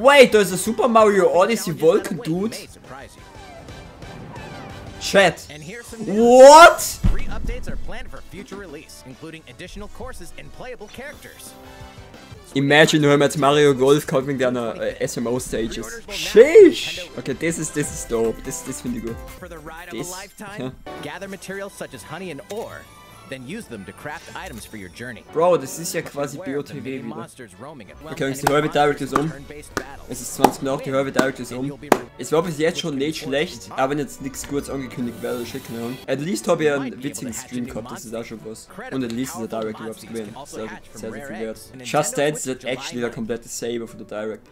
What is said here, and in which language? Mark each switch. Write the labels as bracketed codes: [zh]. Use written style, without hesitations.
[de] Wait, da ist ein Super Mario Odyssey Wolken, dude. [en] Chat. What? Three updates are planned for future release, including additional courses and playable characters. [de] Imagine, wir haben jetzt Mario Golf kaufen wegen deiner SMO Stages. Sheesh! Okay, das ist dope. Das finde ich gut. [en] For the ride of a lifetime, gather materials such as honey and ore, then use them to craft items for your journey. [de] Bro, das ist ja quasi BOTW wieder. Okay, jetzt die Herbie Direct ist um. Es ist 20 nach, die Herbie Direct ist um. Es war bis jetzt schon nicht schlecht, aber wenn jetzt nichts kurz angekündigt wäre, shit, keine Ahnung. [en] At least [de] habe ich einen witzigen Stream gehabt, das ist auch schon was. Und at least ist der Direct überhaupt gewesen. Sehr viel wert. Just Dance ist actually der komplette Saver von der Direct.